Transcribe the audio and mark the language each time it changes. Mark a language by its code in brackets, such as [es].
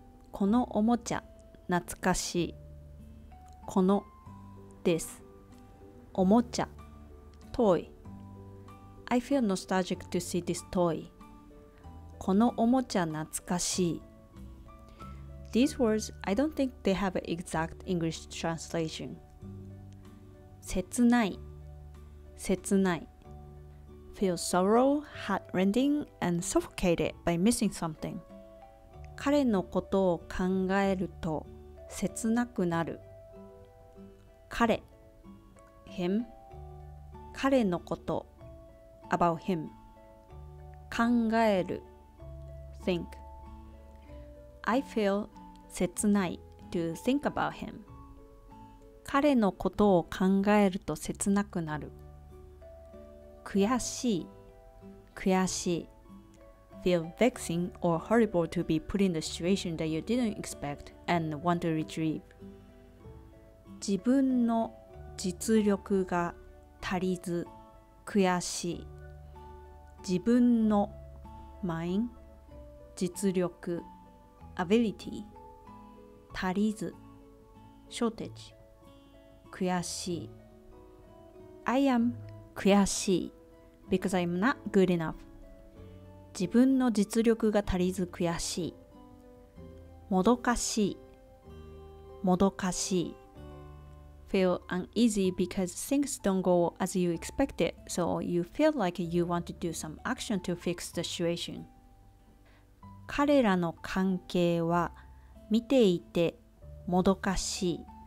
[ja] このおもちゃ懐かしい。このです。おもちゃ [en] Toy I feel nostalgic to see this toy. [ja] このおもちゃ懐かしい。 [en] These words, I don't think they have an exact English translation. [ja] 切ない、切ない。 [en] Feel sorrow, heartrending, and suffocated by missing something. [ja] 彼のことを考えると切なくなる。彼、him、彼のこと、 [en] about him、 [ja] 考える、think。 [en] I feel 切ない to think about him。 [ja] 彼のことを考えると切なくなる。悔しい、悔しい。 [en] Feel vexing or horrible to be put in a situation that you didn't expect and want to retrieve. [ja] 自分の実力が足りず悔しい。自分の mind 実力 ability 足りず shortage 悔しい。 [en] I am 悔しい because I'm not good enough. [ja] 自分の実力が足りず悔しい。もどかしい。もどかしい。 [en] Feel uneasy because things don't go as you expected, so you feel like you want to do some action to fix the situation. [ja] 彼らの関係は見ていてもどかしい。